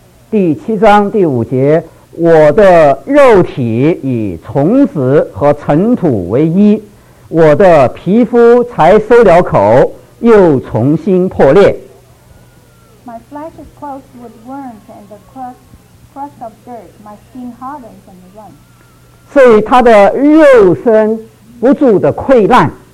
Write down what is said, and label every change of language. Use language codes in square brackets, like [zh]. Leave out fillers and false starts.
[zh] 第七章第五节，我的肉体以虫子和尘土为衣，我的皮肤才收了口，又重新破裂。 [en] My flesh is closed with worms and the crust of dirt. My skin hardens and runs. [zh] 所以他的肉身不住的溃烂。